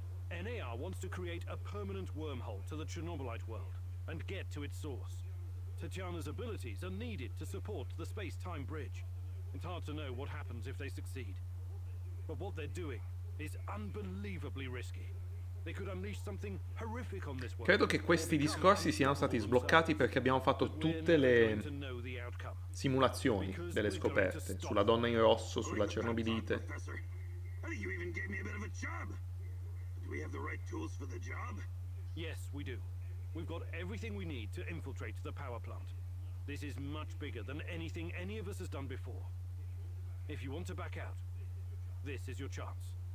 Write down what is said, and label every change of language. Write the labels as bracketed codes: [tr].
[en] NAR wants to create a permanent wormhole to the Chernobylite world and get to its source. Tatiana's abilities are needed to support the space-time bridge. It's hard to know what happens if they succeed. But what they're doing is unbelievably risky. They could unleash something horrific on this world. [it] Credo che questi discorsi siano stati sbloccati perché abbiamo fatto tutte le simulazioni delle scoperte sulla donna in rosso, sulla Chernobilite. [en] You even gave me a bit of a job. Do we have the right tools for the job? Yes, we do. We've got everything we need to infiltrate the power plant. This is much bigger than anything any of us has done before. If you want to back out, this is your chance.